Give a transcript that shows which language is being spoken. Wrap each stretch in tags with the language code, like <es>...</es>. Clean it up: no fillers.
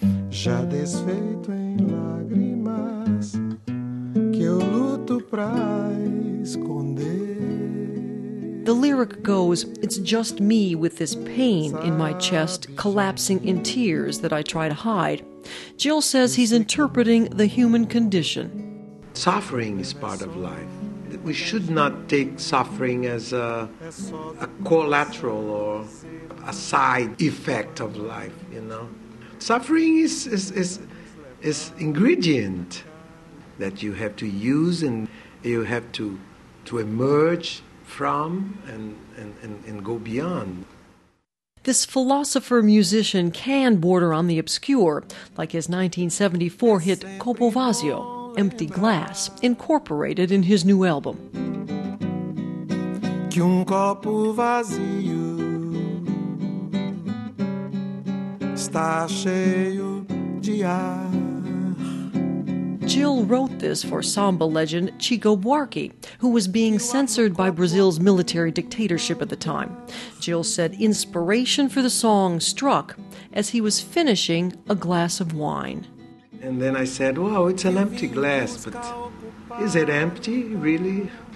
<pt>Já desfeito em lágrimas que eu luto pra esconder.</pt> <en>The lyric goes, it's just me with this pain in my chest, collapsing in tears that I try to hide. Gil says he's interpreting the human condition. Suffering is part of life. We should not take suffering as a collateral or a side effect of life, you know. Suffering is ingredient that you have to use and you have to emerge from and go beyond. This philosopher musician can border on the obscure, like his 1974 hit Copo Vazio, Empty Glass, incorporated in his new album.</en> <pt>Que copo vazio está cheio de ar.</pt> <en>Gil wrote this for samba legend Chico Buarque, who was being censored by Brazil's military dictatorship at the time. Gil said inspiration for the song struck as he was finishing a glass of wine. And then I said, wow, it's an empty glass, but is it empty, really?</en>